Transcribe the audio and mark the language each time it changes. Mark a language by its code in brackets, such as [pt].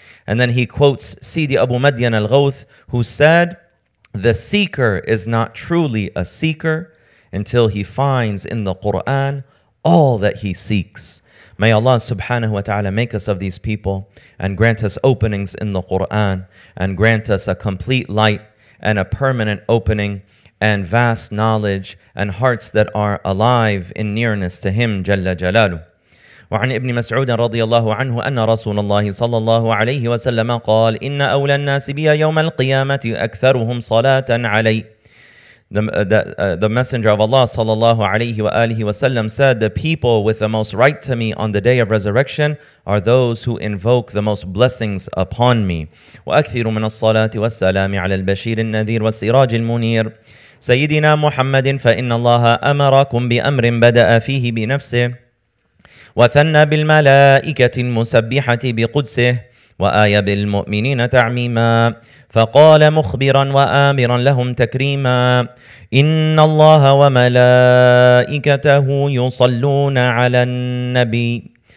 [en] And then he quotes Sidi Abu Madyan al-Ghawth, who said, "The seeker is not truly a seeker until he finds in the Qur'an all that he seeks." May Allah subhanahu wa ta'ala make us of these people and grant us openings in the Qur'an and grant us a complete light and a permanent opening and vast knowledge and hearts that are alive in nearness to Him, Jalla Jalalu. [ar] وعن ابن مسعود رضي الله عنه أن رسول الله صلى الله عليه وسلم قال إن أولى الناس بي يوم القيامة أكثرهم صلاة علي. [en] The Messenger of Allah sallallahu alayhi wa alihi wa sallam said, "The people with the most right to me on the day of resurrection are those who invoke the most blessings upon me." [ar] وَأَكْثِرُ مِنَ الصَّلَاةِ وَالسَّلَامِ عَلَى الْبَشِيرِ النَّذِيرِ وَالسِّرَاجِ الْمُنِيرِ سَيِّدِنَا مُحَمَّدٍ فَإِنَّ اللَّهَ أَمَرَكُمْ بِأَمْرٍ بَدَأَ فِيهِ بِنَفْسِهِ وَثَنَّى بِالْمَلَائِكَةِ الْمُسَبِّحَةِ بِقُدْسِهِ وآية بالمؤمنين تعميما فقال مخبرا وآمرا لهم تكريما إن الله وملائكته يصلون على النبي